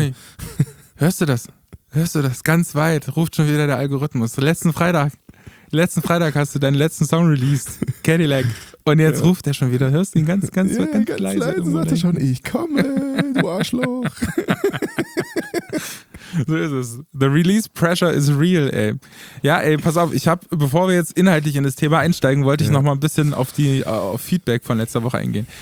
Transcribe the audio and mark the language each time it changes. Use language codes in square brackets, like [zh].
[de] Johnny, hörst du das? Hörst du das? Ganz weit ruft schon wieder der Algorithmus. Letzten Freitag hast du deinen letzten Song released, Cadillac. Und jetzt ruft er schon wieder. Hörst du ihn ganz leise. Sagt er schon, ich komme, du Arschloch. So ist es. [en] The release pressure is real, ey. [de] Ja, ey, pass auf, ich habe, bevor wir jetzt inhaltlich in das Thema einsteigen, wollte ich nochmal ein bisschen auf Feedback von letzter Woche eingehen.